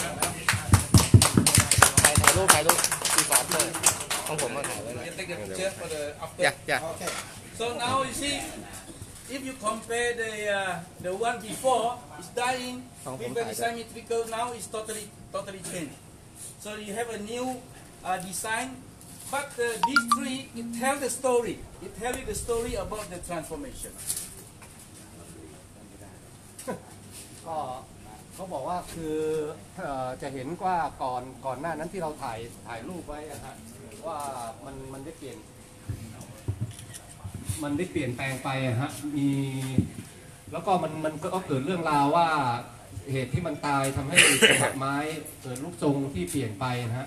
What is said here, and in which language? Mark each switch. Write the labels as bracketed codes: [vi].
[en] yeah so it's done so [th] ใครถ่ายรูปใครถ่ายรูปที่ฝาเพิ่มของผมมาถ่ายเลย [en] ยัก So now you see, if you compare the one before, it's dying, very symmetrical, now it's totally changed. So you have a new design, but this tree, it tells the story. It tells you the story about the transformation. [th] เขาบอกว่าคือจะเห็นว่าก่อนหน้านั้นที่เราถ่ายรูปไว้อะฮะว่ามันได้เปลี่ยนมันได้เปลี่ยนแปลงไปฮะมีแล้วก็มันก็เกิดเรื่องราวว่าเหตุที่มันตายทำให้ดอกไม้เกิดรูปทรงที่เปลี่ยนไปฮะ